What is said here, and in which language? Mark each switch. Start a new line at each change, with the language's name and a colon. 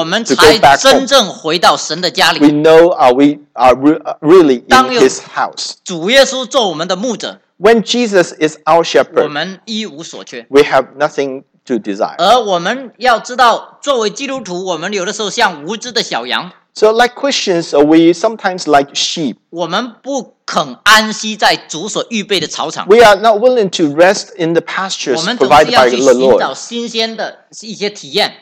Chinese: 我们才真正回到神的家里。
English: We know we are really in His house.
Chinese: 主耶稣做我们的牧者。
English: When Jesus is our shepherd,
Chinese: 我们一无所缺。
English: We have nothing to desire.
Chinese: 而我们要知道，作为基督徒，我们有的时候像无知的小羊。
English: So like Christians, we sometimes like sheep.
Chinese: 我们不肯安息在主所预备的草场。
English: We are not willing to rest in the pastures provided by the Lord.
Chinese: 我们总是要去寻找新鲜的一些体验。